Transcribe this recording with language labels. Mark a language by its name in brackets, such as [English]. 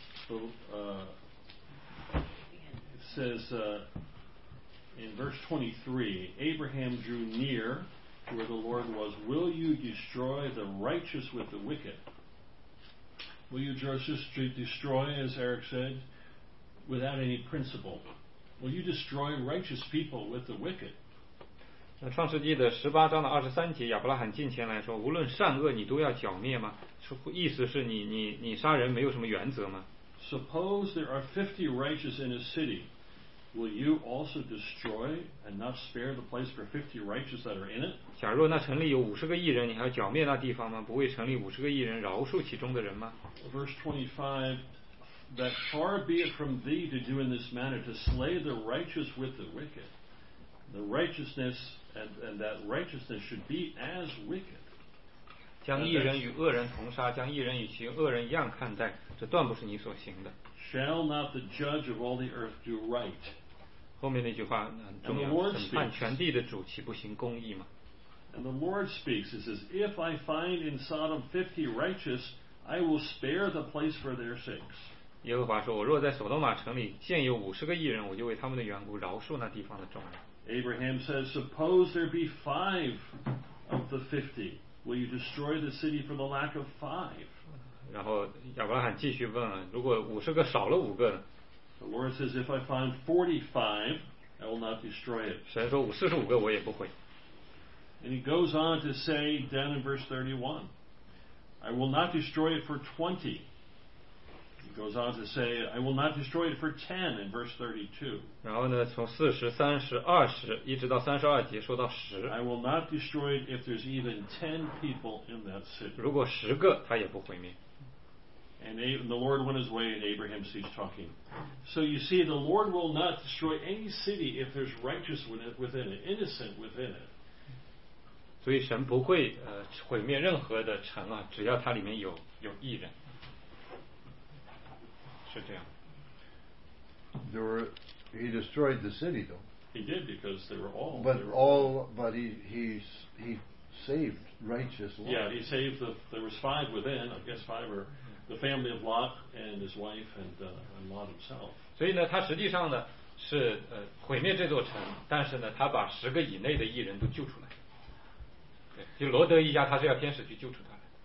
[English] It says in verse 23, Abraham drew near to where the Lord was. Will you destroy the righteous with the wicked? Will you destroy, as Eric said, without any principle? Will you destroy righteous people with the wicked? [Chinese] 那创世纪的十八章的二十三节，亚伯拉罕近前来说：“无论善恶，你都要剿灭吗？” 意思是你杀人没有什么原则吗 [English] ？Suppose there are 50 righteous in a city, will you also destroy and not spare the place for 50 righteous that are in it? [Chinese] 假若那城里有五十个义人，你还要剿灭那地方吗？不为城里五十个义人饶恕其中的人吗？ [English] Verse 25, that far be it from thee to do in this manner, to slay the righteous with the wicked. The righteousness and that righteousness should be as wicked. [Chinese] 将义人与恶人同杀，将义人与其恶人一样看待，这断不是你所行的。 [English] Shall not the judge of all the earth do right? [Chinese] 后面那句话很重要，审判全地的主岂不行公义吗？ [English] And the Lord speaks. He says, if I find in Sodom 50 righteous, I will spare the place for their sakes. [Chinese] 耶和华说，我若在索罗马城里建有五十个义人，我就为他们的缘故饶恕那地方的众人。 [English] Abraham says, suppose there be five of the 50. Will you destroy the city for the lack of five? [Chinese] 然后亚伯拉罕继续问，如果五十个少了五个呢？ [English] The Lord says, if I find 45, I will not destroy it. [Chinese] 神说五四十五个我也不会。 [English] And he goes on to say down in verse 31, I will not destroy it for 20. He goes on to say, I will not destroy it for 10 in verse 32. [Chinese] 然后呢，从四十、三十、二十，一直到三十二节，说到十。 [English] I will not destroy it if there's even 10 people in that city. [Chinese] 如果十个，他也不毁灭。 [English] And the Lord went his way, and Abraham ceased talking. So you see, the Lord will not destroy any city if there's righteous within it, innocent within it. [Chinese] 所以神不会毁灭任何的城啊，只要它里面有义人。是这样。 [English] He destroyed the city, though. He did because they were all. But all, but he saved righteous Lot. Yeah, he saved the. There was five within. I guess five were the family of Lot and his wife and Lot himself. [Chinese] 所以呢，他实际上呢是毁灭这座城，但是呢，他把十个以内的义人都救出来。对，就罗德一家，他是要天使去救出他的。